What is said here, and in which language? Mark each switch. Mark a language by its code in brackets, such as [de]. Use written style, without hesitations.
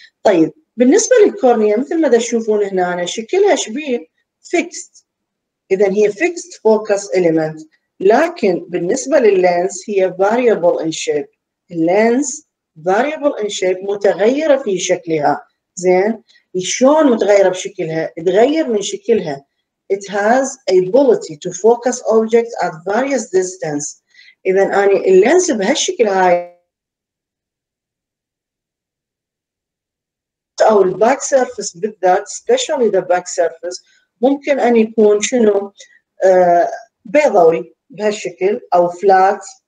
[ar] طيب بالنسبه للكورنيا مثل ما تشوفون هنا أنا شكلها شبيه فيكست، اذا هي فيكست فوكس اليمنت، لكن بالنسبه لللينس هي فاريبل ان شيب. اللينس [en] variable in shape، [ar] متغيرة في شكلها. زين شلون متغيرة بشكلها؟ تغير من شكلها. [en] it has ability to focus objects at various distance. [ar] إذا أنا اللينس بهالشكل هاي أو الباك سيرفس بالذات [en] especially the back surface [ar] ممكن أن يكون شنو بيضوي بهالشكل أو flat.